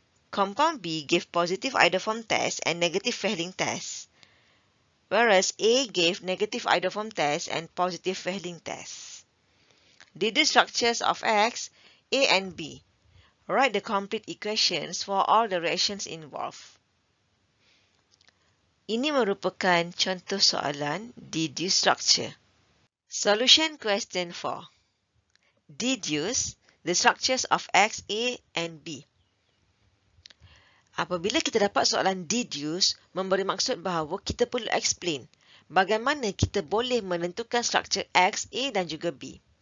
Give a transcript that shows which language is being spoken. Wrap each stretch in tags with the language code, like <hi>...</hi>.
<en>Compound B gave positive iodoform test and negative Fehling test, whereas A gave negative iodoform test and positive Fehling test. Did the structures of X, A and B. Write the complete equations for all the reactions involved.</en> <ms>Ini merupakan contoh soalan deduce structure.</ms> <en>Solution question 4. Deduce the structures of X, A and B.</en> <ms>Apabila kita dapat soalan deduce, memberi maksud bahawa kita perlu explain bagaimana kita boleh menentukan structure X, A dan juga B.</ms>